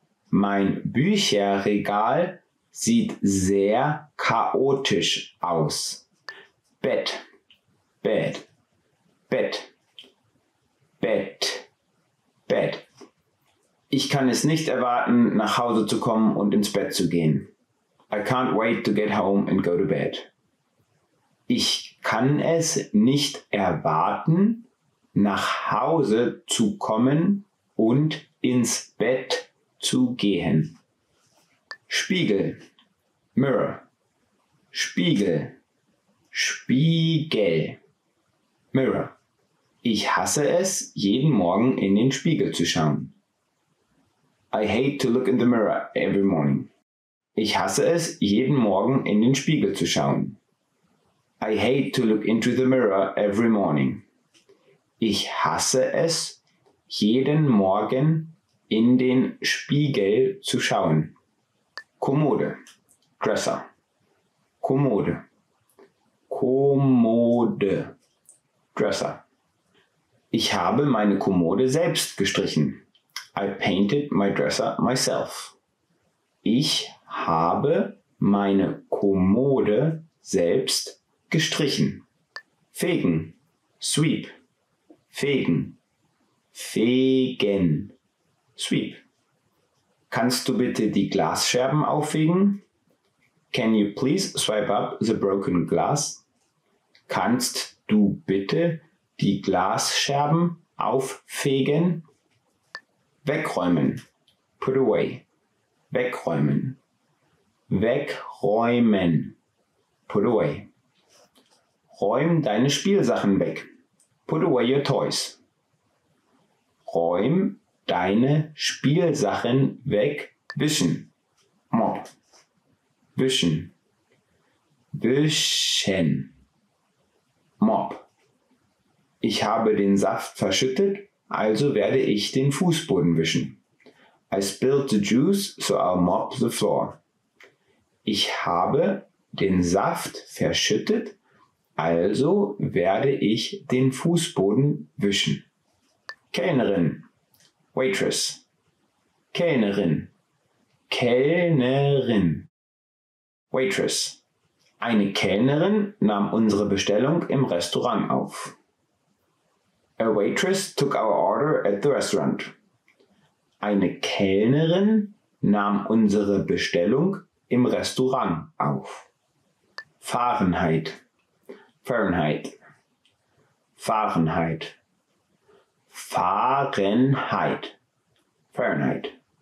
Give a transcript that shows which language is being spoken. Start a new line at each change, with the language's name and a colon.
German: Mein Bücherregal sieht sehr chaotisch aus. Bett. Bed. Bett. Bett. Bett. Ich kann es nicht erwarten, nach Hause zu kommen und ins Bett zu gehen.
English: I can't wait to get home and go to bed.
German: Ich kann es nicht erwarten, nach Hause zu kommen und ins Bett zu gehen. Spiegel. Mirror. Spiegel. Spiegel. Mirror. Ich hasse es, jeden Morgen in den Spiegel zu schauen.
English: I hate to look in the mirror every morning.
German: Ich hasse es, jeden Morgen in den Spiegel zu schauen.
English: I hate to look into the mirror every morning.
German: Ich hasse es, jeden Morgen in den Spiegel zu schauen. Kommode. Dresser. Kommode. Kommode. Dresser. Ich habe meine Kommode selbst gestrichen.
English: I painted my dresser myself.
German: Ich habe meine Kommode selbst gestrichen. Fegen. Sweep. Fegen. Fegen. Sweep. Kannst du bitte die Glasscherben auffegen?
English: Can you please swipe up the broken glass?
German: Kannst du bitte die Glasscherben auffegen? Wegräumen.
English: Put away.
German: wegräumen. Wegräumen.
English: Put away.
German: Räum deine Spielsachen weg.
English: Put away your toys.
German: Räum deine Spielsachen weg. Wischen. Mop. Wischen. Wischen. Mop. Ich habe den Saft verschüttet, also werde ich den Fußboden wischen.
English: I spilled the juice, so I'll mop the floor.
German: Ich habe den Saft verschüttet, also werde ich den Fußboden wischen. Kellnerin. Waitress. Kellnerin. Kellnerin. Waitress. Eine Kellnerin nahm unsere Bestellung im Restaurant auf.
English: A waitress took our order at the restaurant.
German: Eine Kellnerin nahm unsere Bestellung im Restaurant auf. Fahrenheit. Fahrenheit. Fahrenheit. Fahrenheit. Fahrenheit.